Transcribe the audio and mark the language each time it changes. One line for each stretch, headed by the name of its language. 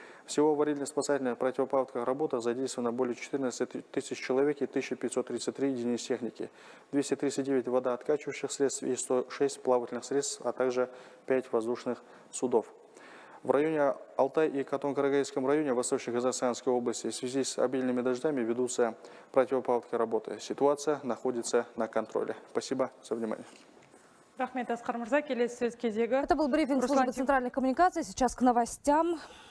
Russian: Всего в аварийно-спасательных противопаводковых работах задействовано более 14 тысяч человек и 1533 единиц техники, 239 водооткачивающих средств и 106 плавательных средств, а также 5 воздушных судов. В районе Алтай и Катон-Карагайском районе Восточно-Казахстанской области в связи с обильными дождями ведутся противопаводковые работы. Ситуация находится на контроле. Спасибо за внимание.
Kazakh: Рахмет, Асқар Мырза, келесі сөз кезегі.
Russian: Это был брифинг службы центральных коммуникаций. Сейчас к новостям.